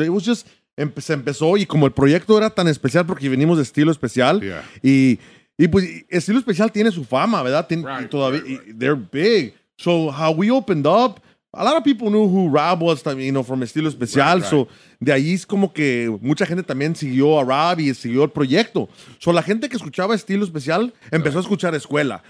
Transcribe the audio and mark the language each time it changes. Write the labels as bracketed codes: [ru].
[es] It was just se empezó y como el proyecto era tan especial porque venimos de estilo especial. [en] Yeah. [es] Y pues estilo especial tiene su fama, ¿verdad? [en] They're big. So how we opened up, a lot of people knew who Rob was, you know, from estilo especial. Right, right. [es] So de ahí es como que mucha gente también siguió a Rob y siguió el proyecto. So la gente que escuchaba estilo especial empezó a escuchar escuela.